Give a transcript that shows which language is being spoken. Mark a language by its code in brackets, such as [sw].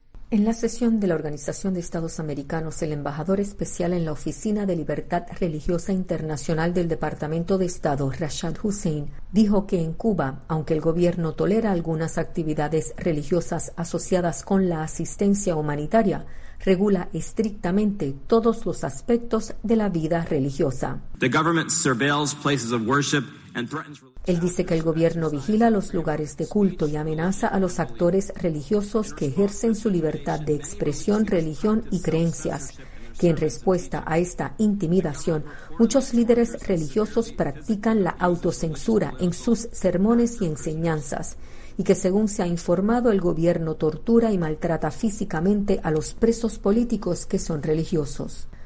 [es] En la sesión de la Organización de Estados Americanos, el embajador especial en la Oficina de Libertad Religiosa Internacional del Departamento de Estado, Rashad Hussein, dijo que en Cuba, aunque el gobierno tolera algunas actividades religiosas asociadas con la asistencia humanitaria, regula estrictamente todos los aspectos de la vida religiosa. [en] The government surveils places of worship and threatens religion. [es] Él dice que el gobierno vigila los lugares de culto y amenaza a los actores religiosos que ejercen su libertad de expresión, religión y creencias. Que en respuesta a esta intimidación, muchos líderes religiosos practican la autocensura en sus sermones y enseñanzas, y que según se ha informado, el gobierno tortura y maltrata físicamente a los presos políticos que son religiosos.